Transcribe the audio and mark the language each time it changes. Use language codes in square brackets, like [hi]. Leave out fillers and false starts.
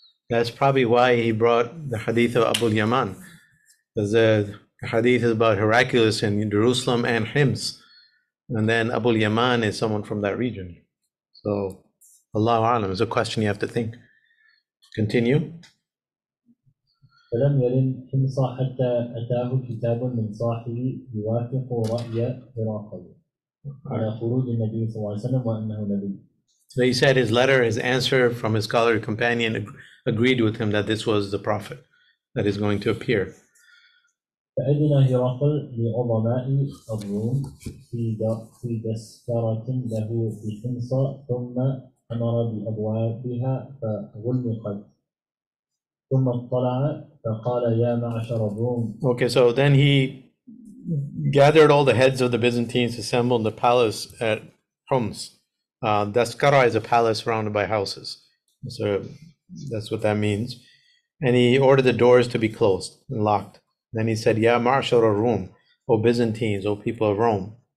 [en] That's probably why he brought the hadith of Abu Yaman. The hadith is about Heraclius in Jerusalem and Hims. And then Abu Yaman is someone from that region. So Allahu A'lam is a question you have to think. Continue. [ar] فلم يلن حمص حتى أتاه كتاب من صاحبه يوافق رأي هرقل على خروج النبي صلى الله عليه وسلم وأنه نبي. [en] They said his letter, his answer from his scholarly companion agreed with him that this was the prophet that is going to appear. [ar] فأذن هرقل لعظماء الروم في دسكرة له بحمص ثم أمر بأبوابها فغلقت ثم اطلع فقال يا معشر الروم. [en] Okay, so then he gathered all the heads of the Byzantines assembled in the palace at Homs. Daskara is a palace surrounded by houses. So that's what that means. And he ordered the doors to be closed and locked. Then he said, Ya Marshal of Rome, O Byzantines, O people of Rome.